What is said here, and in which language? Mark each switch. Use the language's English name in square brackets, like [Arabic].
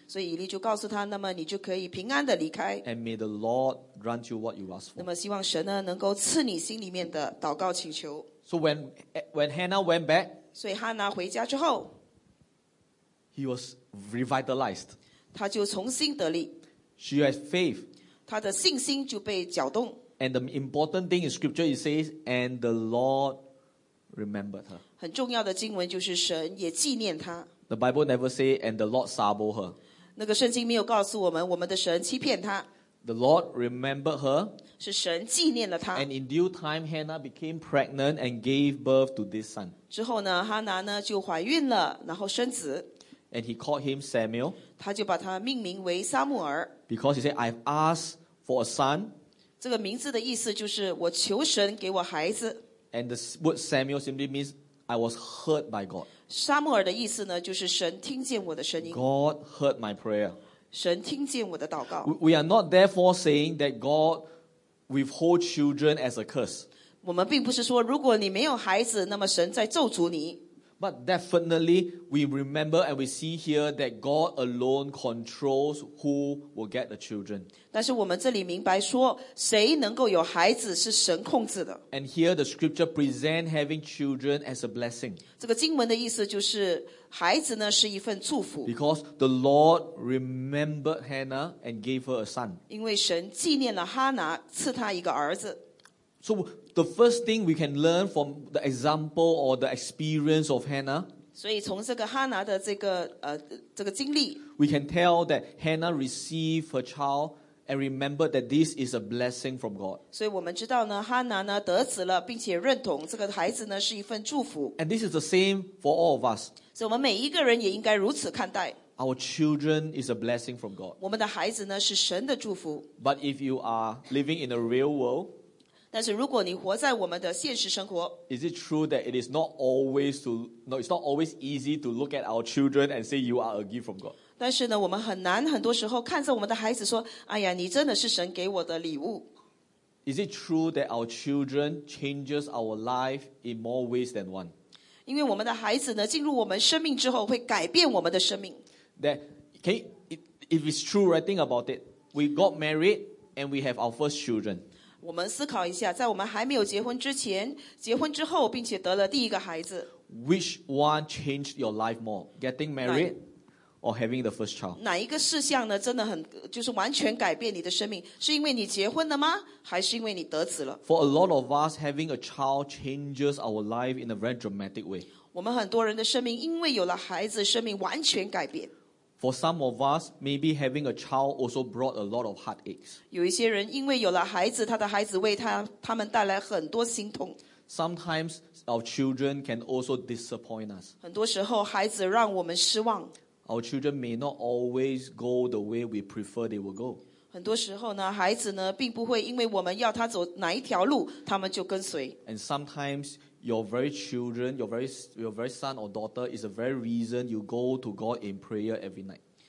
[Chinese] 所以以利就告诉他, 那么你就可以平安地离开。 [English] And may the Lord grant you what you ask for. [Chinese] 那么希望神呢, 能够赐你心里面的祷告请求。 [English] So when Hannah went back, [Chinese] 所以哈拿回家之后, [English] he was revitalized. [Chinese] 他就重新得力。 [English] She has faith. [Chinese] 他的信心就被搅动。 [English] And the important thing in scripture, it says, and the Lord remembered her. [Chinese] 很重要的经文就是神也纪念他。 [English] The Bible never say, and the Lord sabo her. [Chinese] 那个圣经没有告诉我们, 我们的神欺骗他。 [English] The Lord remembered her. [Chinese] 是神纪念了他。 [English] And in due time, Hannah became pregnant and gave birth to this son. [Chinese] 之后呢, Hannah呢, 就怀孕了, 然后生子。 [English] And he called him Samuel. [Chinese] 他就把他命名为撒母耳。 [English] Because he said, I've asked for a son. [Chinese] 这个名字的意思就是, 我求神给我孩子。 [English] And the word Samuel simply means, I was heard by God. [Chinese] 撒母耳的意思呢, 就是神听见我的声音。 [English] God heard my prayer. [Chinese] 神听见我的祷告。 [English] We are not therefore saying that God withhold children as a curse. [Chinese] 我们并不是说, 如果你没有孩子, 那么神在咒诅你。 [English] But definitely, we remember and we see here that God alone controls who will get the children. [Chinese] 但是我们这里明白说, 谁能够有孩子, 是神控制的。 [English] And here the scripture presents having children as a blessing. [Chinese] 这个经文的意思就是, 孩子呢, 是一份祝福。 [English] Because the Lord remembered Hannah and gave her a son. [Chinese] 因为神纪念了哈拿, 赐她一个儿子。 [English] So the first thing we can learn from the example or the experience of Hannah, [Chinese] 所以从这个哈拿的这个, 这个经历, [English] we can tell that Hannah received her child and remembered that this is a blessing from God. [Chinese] 所以我们知道呢, 哈拿呢, 得子了, 并且认同这个孩子呢, 是一份祝福。 [English] And this is the same for all of us. [Chinese] 所以我们每一个人也应该如此看待。 [English] Our children is a blessing from God. [Chinese] 我们的孩子呢, 是神的祝福。 [English] But if you are living in a real world, [Chinese] 但是如果你活在我们的现实生活, [English] is it true that it is not always to no, it's not always easy to look at our children and say you are a gift from God? [Chinese] 但是呢, 我们很难很多时候看着我们的孩子说, 哎呀, 你真的是神给我的礼物。 [English] Is it true that our children changes our life in more ways than one? [Chinese] 因为我们的孩子呢, 进入我们生命之后, 会改变我们的生命。 [English] That, can you, if it's true, right, think about it. We got married and we have our first children. [Chinese] 我们思考一下, 在我们还没有结婚之前, 结婚之后, 并且得了第一个孩子, [English] which one changed your life more? Getting married or having the first child? [Chinese] 哪一个事项呢, 真的很, 就是完全改变你的生命, 是因为你结婚了吗? 还是因为你得子了? [English] For a lot of us, having a child changes our life in a very dramatic way. [Chinese] 我们很多人的生命, 因为有了孩子, 生命完全改变。 [English] For some of us, maybe having a child also brought a lot of heartaches. [Chinese] 有一些人因为有了孩子, 他的孩子为他, 他们带来很多心痛。 [English] Sometimes our children can also disappoint us. [Chinese] 很多时候孩子让我们失望。 [English] Our children may not always go the way we prefer they will go. [Chinese] 很多时候呢, 孩子呢, 并不会因为我们要他走哪一条路, 他们就跟随。 [English] And sometimes your very children, your very son or daughter is the very reason you go to God in prayer every night.